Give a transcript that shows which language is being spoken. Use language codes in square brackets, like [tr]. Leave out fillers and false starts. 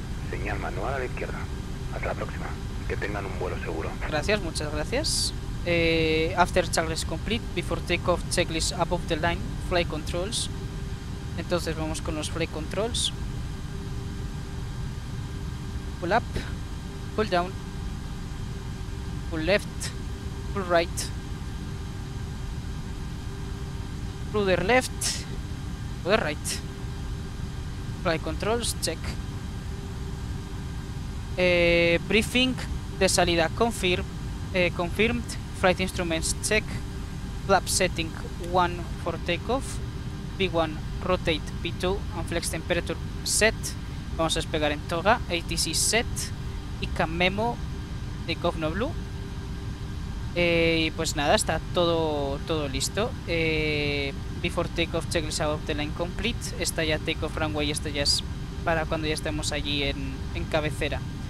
[es] Señal manual a la izquierda. Hasta la próxima. Que tengan un vuelo seguro. Gracias, muchas gracias. [en] After checklist complete, before takeoff checklist above the line, flight controls. [es] Entonces vamos con los [en] flight controls. Pull up, pull down, pull left, pull right, rudder left, rudder right. Flight controls check. [es] Briefing de salida [en] confirm, confirmed. Flight instruments check. Flap setting 1 for takeoff. B1 rotate, B2 and flex temperature set. [es] Vamos a despegar en toga. [en] ATC set. ICAM memo. Takeoff no blue. [es] Y pues nada, está todo listo. [en] Before takeoff checklist above the line complete. [es] Esta ya [en] takeoff runway. [es] Esta ya es para cuando ya estemos allí en cabecera.